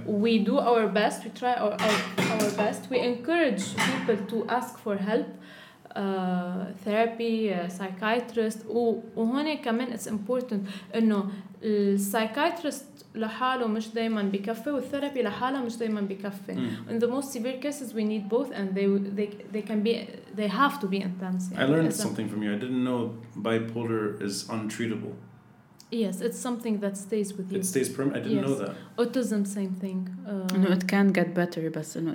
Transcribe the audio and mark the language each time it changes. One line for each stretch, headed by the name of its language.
English: We do our best, we try our best, we encourage people to ask for help, therapy, psychiatrist.
Arabic: وهون كمان
English: it's important
Arabic: إنه psychiatrist لحاله مش دايما بكفي والثيرابي لحاله مش دايما بكفي.
English: In the most severe cases we need both and they can be, they have to be intense. I learned something from you. I didn't know bipolar is untreatable. Yes, it's something that stays with you. It stays permanent. I didn't know that. Autism, same thing. No, it can get better, but it's not